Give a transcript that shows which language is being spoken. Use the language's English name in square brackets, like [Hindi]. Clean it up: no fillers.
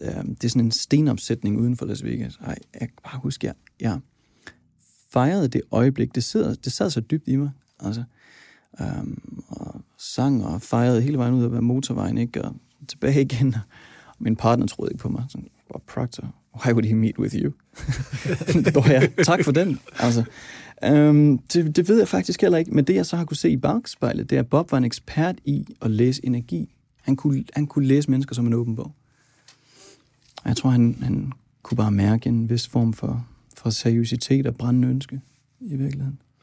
[Danish] det er sådan en stenopsætning uden for Las Vegas. Ej, jeg kan bare huske, at jeg fejrede det øjeblik. Det sad så dybt i mig. Altså, og sang og fejrede hele vejen ud af motorvejen, ikke? Og tilbage igen. Og min partner troede ikke på mig. [English] Sådan, oh, Proctor, why would he meet with you? [Danish] Tak for den, altså. Det ved jeg faktisk heller ikke, men det, jeg så har kunne se i bagspejlet, det er, at Bob var en ekspert i at læse energi. Han kunne læse mennesker som en åben bog. Og jeg tror, han kunne bare mærke en vis form for seriøsitet og brændende ønske i virkeligheden.